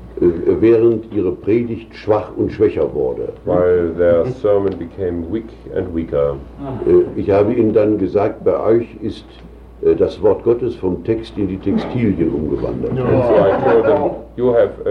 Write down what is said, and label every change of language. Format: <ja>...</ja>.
<de>Während ihre Predigt schwach und schwächer wurde.</de> <en>While their sermon became weak and weaker.</en> <de>Ich habe ihnen dann gesagt, bei euch ist das Wort Gottes vom Text in die Textilien umgewandert.</de> <en>And so I told them, you have...</en>